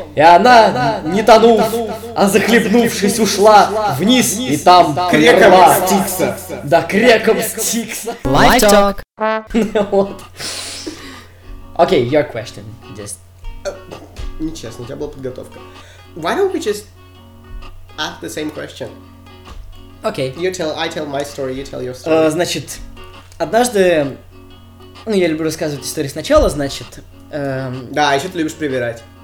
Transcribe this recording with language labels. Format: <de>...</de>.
<ru>И она, не тонув, а захлебнувшись, ушла вниз, и там к рекам Стикса. Да, к рекам Стикса.</ru> <en>Life talk.</en> <ru>Окей,</ru> <en>your question.</en> <ru>Нечестно, у тебя была подготовка.</ru> <en>Why don't we just ask the same question?</en> <ru>Окей.</ru> <en>You tell, I tell my story, you tell your story.</en> <ru>Значит... Однажды, ну, я люблю рассказывать истории сначала, значит... Да, еще ты любишь проверять.</ru>